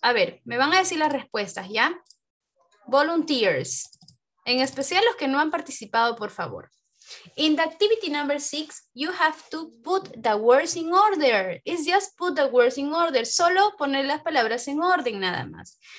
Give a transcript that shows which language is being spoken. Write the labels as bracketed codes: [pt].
[es] A ver, me van a decir las respuestas, ¿ya? Volunteers. En especial los que no han participado, por favor. [en] In the activity number 6, you have to put the words in order. It's just put the words in order. [es] Solo poner las palabras en orden, nada más.